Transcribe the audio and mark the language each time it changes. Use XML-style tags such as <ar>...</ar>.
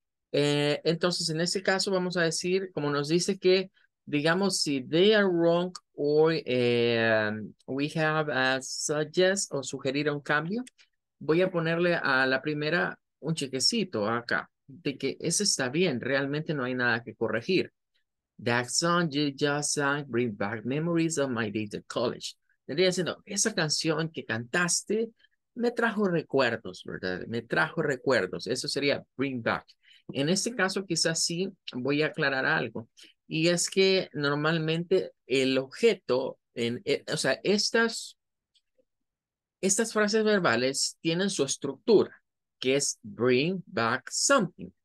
<es>Entonces, en este caso, vamos a decir, como nos dice que, digamos, si</es> <en>they are wrong or we have a suggest</en> <es>o sugerir un cambio. Voy a ponerle a la primera un chequecito acá, de que eso está bien, realmente no hay nada que corregir.</es> <en>That song you just sang brings back memories of my days at college.</en> <es>Estaría diciendo, esa canción que cantaste me trajo recuerdos, ¿verdad? Me trajo recuerdos, eso sería bring back. En este caso, quizás sí voy a aclarar algo, y es que normalmente el objeto, o sea, estas frases verbales tienen su estructura, que es bring back something.</es>